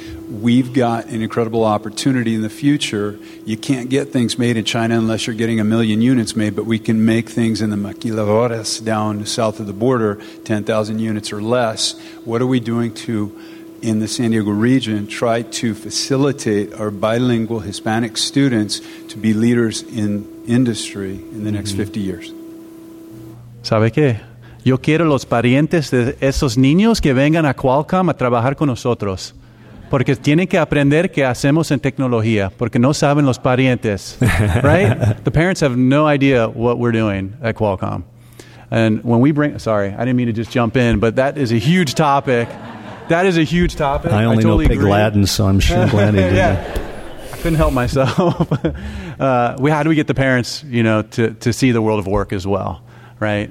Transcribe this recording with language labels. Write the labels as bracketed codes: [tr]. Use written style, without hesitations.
[en] We've got an incredible opportunity in the future. You can't get things made in China unless you're getting 1 million units made, but we can make things in the maquiladoras down south of the border, 10,000 units or less. What are we doing to, in the San Diego region, try to facilitate our bilingual Hispanic students to be leaders in industry in the next 50 years? [es] ¿Sabe qué? Yo quiero los parientes de esos niños que vengan a Qualcomm a trabajar con nosotros. Porque tienen que aprender qué hacemos en tecnología, porque no saben los parientes, right? [en] The parents have no idea what we're doing at Qualcomm. And when we bring, sorry, I didn't mean to just jump in, but that is a huge topic. That is a huge topic. I only totally know Pig agree. Latin, so I'm sure glad he did. Yeah. I couldn't help myself. how do we get the parents, you know, to see the world of work as well, right?